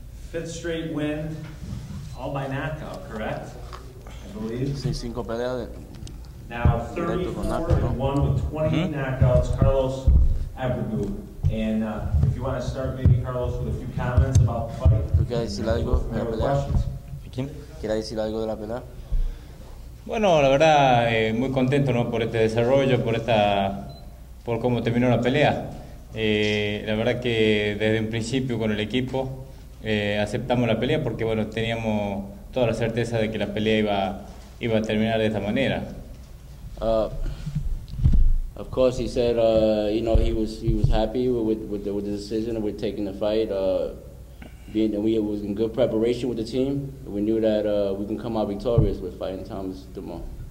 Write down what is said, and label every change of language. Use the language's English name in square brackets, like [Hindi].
[English] Fifth straight win, all by knockout, correct? I believe. [Spanish] Sí, cinco peleas. [English] Now 34-1 with 28 knockouts, Carlos Abreu. And if you want to start, maybe Carlos, with a few comments about the fight. [Spanish] ¿Tú quieres decir algo? [English] Any questions? [Spanish] ¿Quién? ¿Quieres decir algo de la pelea? Bueno, la verdad, muy contento, ¿no?, por este desarrollo, por cómo terminó la pelea. La verdad que desde un principio con el equipo aceptamos la pelea porque, bueno, teníamos toda la certeza de que la pelea iba a terminar de esta manera. [English] Of course, he said, you know, he was happy with the decision of taking the fight. It was in good preparation with the team. We knew that we can come out victorious with fighting Thomas DeLorme.